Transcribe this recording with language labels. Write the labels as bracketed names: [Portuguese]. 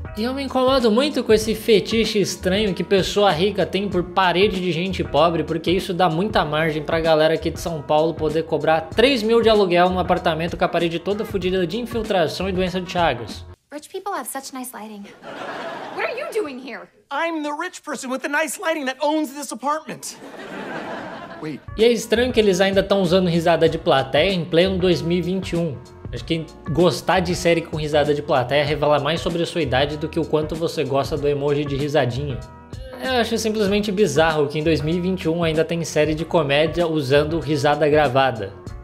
[Portuguese] E eu me incomodo muito com esse fetiche estranho que pessoa rica tem por parede de gente pobre, porque isso dá muita margem pra galera aqui de São Paulo poder cobrar 3 mil de aluguel num apartamento com a parede toda fodida de infiltração e doença de Chagas. [English] Rich people have such nice lighting. What are you doing here? I'm the rich person with the nice lighting that owns this apartment. Wait. [Portuguese] E é estranho que eles ainda estão usando risada de plateia em pleno 2021. Acho que gostar de série com risada de plateia revela mais sobre a sua idade do que o quanto você gosta do emoji de risadinha. Eu acho simplesmente bizarro que em 2021 ainda tem série de comédia usando risada gravada.